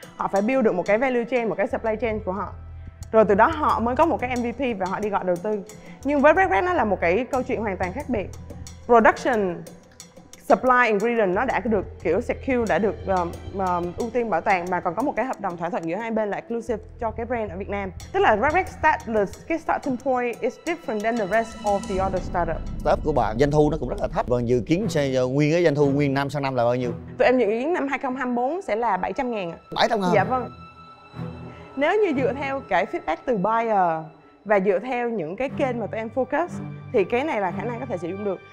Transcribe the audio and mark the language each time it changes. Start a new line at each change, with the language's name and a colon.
Vietnamese: Họ phải build được một cái value chain, một cái supply chain của họ. Rồi từ đó họ mới có một cái MVP và họ đi gọi đầu tư. Nhưng với RecRec nó là một cái câu chuyện hoàn toàn khác biệt.
English: Production, supply ingredient
Vietnamese: nó đã được kiểu secure, đã được ưu tiên bảo toàn, mà còn có một cái hợp đồng thỏa thuận giữa hai bên là exclusive cho cái brand ở Việt Nam. Tức là
English: RecRec start, cái starting point is different than the rest of the other startup.
Vietnamese: Startup của bạn doanh thu nó cũng rất là thấp. Và dự kiến nguyên cái doanh thu nguyên năm sang năm là bao nhiêu? Tụi em dự kiến năm 2024 sẽ là 700.000. 700.000? Dạ vâng. Nếu như dựa theo cái feedback từ buyer và dựa theo những cái kênh mà tụi em focus thì cái này là khả năng có thể sử dụng được.